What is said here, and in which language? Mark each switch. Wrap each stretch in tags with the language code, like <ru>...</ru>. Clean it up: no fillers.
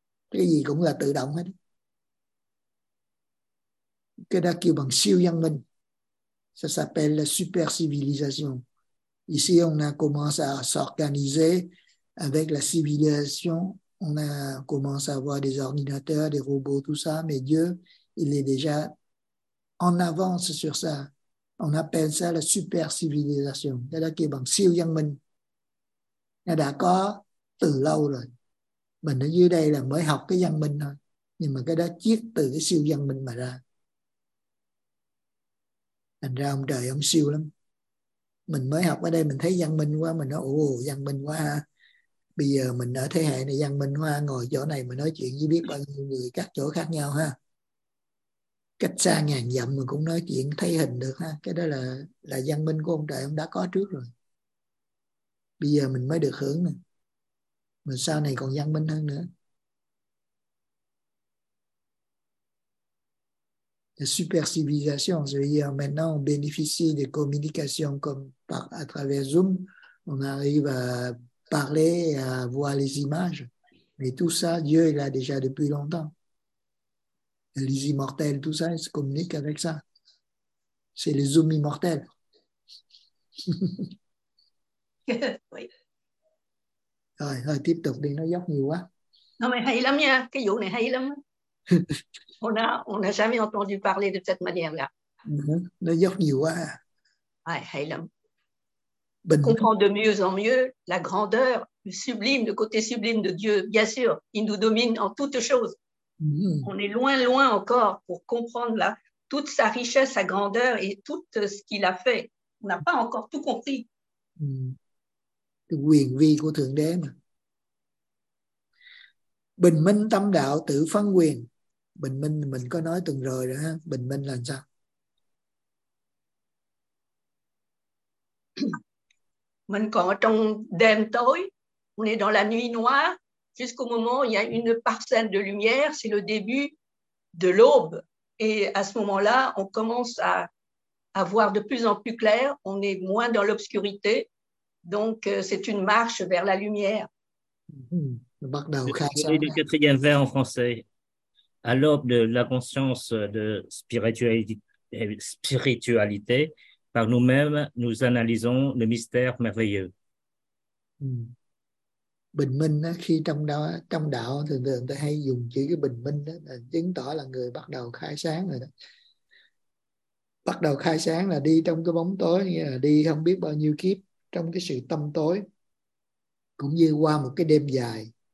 <vi>Cái gì cũng là tự động hết. Cái đó kêu bằng siêu văn minh.</vi> <fr>Ça s'appelle la super civilisation. Ici, on a commencé à s'organiser avec la civilisation. On a commencé à avoir des ordinateurs, des robots, tout ça, mais Dieu, il est déjà en avance sur ça. On appelle ça la super civilisation. C'est là qu'il y a un</fr> <vi>siêu yang minh. Nó đã có từ lâu rồi. Mình ở dưới đây là mới học cái yang minh thôi. Nhưng mà cái đó chiết từ cái siêu yang minh mà ra. Thành ra ông trời ông siêu lắm. Mình mới học ở đây, mình thấy yang minh quá, mình nói, ồ, yang minh quá ha. Bây giờ mình ở thế hệ này văn minh hoa, ngồi chỗ này mà nói chuyện với biết bao nhiêu người các chỗ khác nhau ha. Cách xa ngàn dặm mà cũng nói chuyện thấy hình được ha. Cái đó là văn minh của ông trời ông đã có trước rồi. Bây giờ mình mới được hưởng nè. Mà sau này còn văn minh hơn nữa.</vi> <fr>La super civilisation, c'est-à-dire maintenant on bénéficie des communications comme par, à travers Zoom, on arrive à parler, à voir les images. Mais tout ça, Dieu l'a déjà depuis longtemps. Les immortels, tout ça, ils se communiquent avec ça. C'est les zooms immortels. Oui.</fr> <vi>Rồi, rồi, tiếp tục đi, nó dốc nhiều quá.</vi> <fr>Non, mais</fr> <vi>hay lắm nha, cái vụ này hay lắm.</vi> <fr>on a jamais entendu parler de cette manière-là.</fr> <vi>Nó dốc nhiều quá. Ouais, hay lắm.</vi> <fr>Comprend de mieux en mieux la grandeur, le sublime, le côté sublime de Dieu. Bien sûr, il nous domine en toutes choses. Mmh. On est loin, loin encore pour comprendre là, toute sa richesse, sa grandeur et tout ce qu'il a fait. On n'a pas encore tout compris. Mmh.</fr> <vi>Quyền vi của Thượng Đế mà. Bình minh tâm đạo tự phân quyền. Bình minh mình có nói từng rồi đó. Bình minh là sao? Mình còn ở trong đêm tối,</vi> <fr>on est dans la nuit noire, jusqu'au moment où il y a une parcelle de lumière, c'est le début de l'aube. Et à ce moment-là, on commence à voir de plus en plus clair, on est moins dans l'obscurité. Donc, c'est une marche vers la lumière. Et le quatrième vers en français, à l'aube de la conscience de spiritualité, par nous-mêmes, nous analysons le mystère merveilleux.</fr> <vi>Bình minh đó, khi trong đạo thường thường ta hay dùng chữ cái bình minh đó là chứng tỏ là người bắt đầu khai sáng rồi đó. Bắt đầu khai sáng là đi trong cái bóng tối, nghĩa là đi không biết bao nhiêu kiếp trong cái sự tâm tối, cũng như qua một cái đêm dài.</vi>